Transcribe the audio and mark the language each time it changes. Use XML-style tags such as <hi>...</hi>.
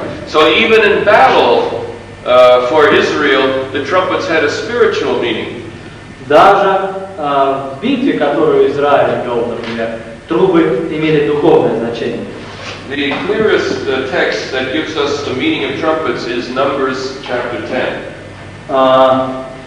<en>So even in battle for Israel, the trumpets had a spiritual meaning.</en> <ru>Даже в битве, которую Израиль вел, например, трубы имели духовное значение.</ru> <en>The clearest text that gives us the meaning of trumpets is Numbers chapter 10.</en>